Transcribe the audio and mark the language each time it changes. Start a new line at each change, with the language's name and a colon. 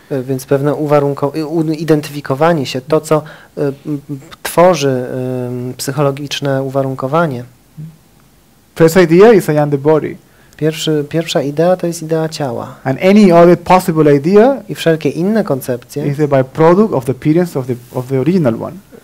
Polish: Więc pewne identyfikowanie się, to co tworzy psychologiczne uwarunkowanie.
English: First idea is I am the body.
Polish: Pierwsza idea to jest idea ciała.
English: And any other possible idea.
Polish: I wszelkie inne koncepcje.
English: Is a byproduct of the appearance of the original one.